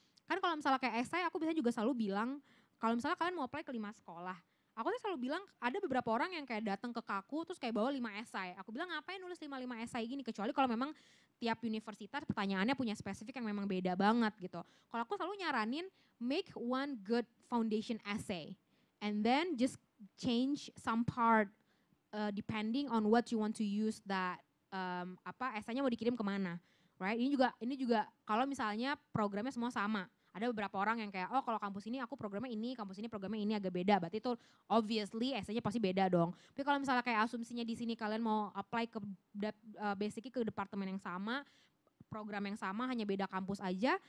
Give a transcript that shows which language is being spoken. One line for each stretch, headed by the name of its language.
Indonesian: Kan kalau misalnya kayak SI, aku biasanya juga selalu bilang kalau misalnya kalian mau apply ke 5 sekolah, aku tuh selalu bilang ada beberapa orang yang kayak datang ke kaku terus kayak bawa 5 esai. Aku bilang ngapain nulis 5 esai gini, kecuali kalau memang tiap universitas pertanyaannya punya spesifik yang memang beda banget gitu. Kalau aku selalu nyaranin
English: make one good foundation essay and then just change some part depending on what you want to use that
Indonesian: esainya mau dikirim kemana,
English: right?
Indonesian: Ini juga kalau misalnya programnya semua sama. Ada beberapa orang yang kayak, oh kalau kampus ini aku programnya ini, kampus ini programnya ini agak beda. Berarti itu obviously essay-nya pasti beda dong. Tapi kalau misalnya kayak asumsinya di sini kalian mau apply ke basically ke departemen yang sama, program yang sama, hanya beda kampus aja.